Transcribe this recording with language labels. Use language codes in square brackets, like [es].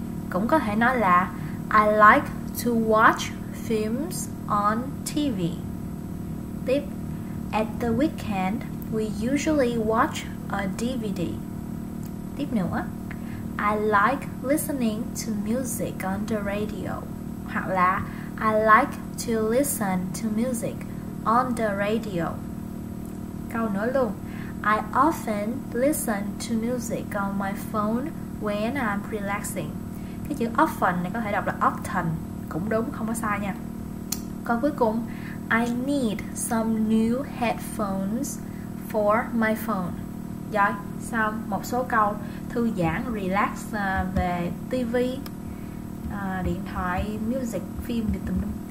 [vi] Cũng có thể nói là [en] I like to watch films on TV. Tiếp, At the weekend, we usually watch a DVD. [vi] Tiếp nữa, [en] I like listening to music on the radio. [vi] Hoặc là [en] I like to listen to music on the radio. [vi] Câu nữa luôn. [en] I often listen to music on my phone when I'm relaxing. [vi] Cái chữ often này có thể đọc là often, cũng đúng, không có sai nha. Câu cuối cùng, [en] I need some new headphones for my phone. [vi] Rồi, xong một số câu thư giãn, relax về TV, điện thoại, music, phim gì tùm lum.